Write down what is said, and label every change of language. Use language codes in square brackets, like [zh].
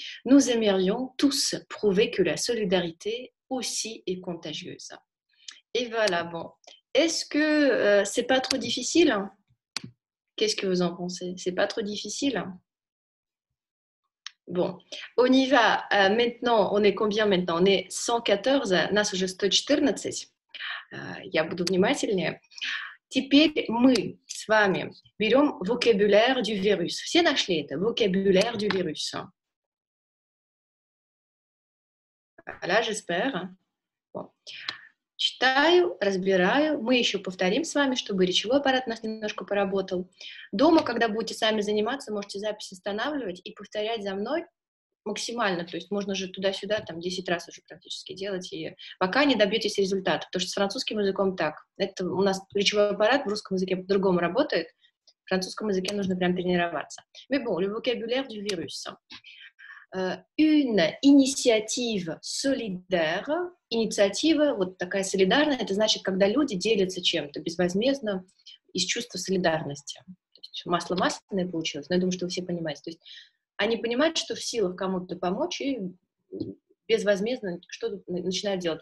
[fr] Nous aimerions tous prouver que la solidarité aussi est contagieuse. Et voilà, bon. Est-ce que c'est pas trop difficile? Qu'est-ce que vous en pensez? C'est pas trop difficile? Bon, on y va. Maintenant, on est combien maintenant? On est 114. [ru] Нас уже 114. Я буду внимательнее. Теперь мы с вами берем [fr] vocabulaire du virus. [ru] Все нашли это? [fr] Vocabulaire du virus. Voilà, j'espère. Bon. [ru] Читаю, разбираю. Мы еще повторим с вами, чтобы речевой аппарат у нас немножко поработал. Дома, когда будете сами заниматься, можете запись останавливать и повторять за мной максимально. То есть можно же туда-сюда, там, 10 раз уже практически делать, и пока не добьетесь результата. Потому что с французским языком так. Это у нас речевой аппарат в русском языке по-другому работает. В французском языке нужно прям тренироваться. [fr] Mais bon, le vocabulaire du virus. Une initiative solidaire. [ru] Инициатива, вот такая солидарная, это значит, когда люди делятся чем-то безвозмездно из чувства солидарности. То есть масло масляное получилось, но я думаю, что вы все понимаете. То есть они понимают, что в силах кому-то помочь и безвозмездно что-то начинают делать.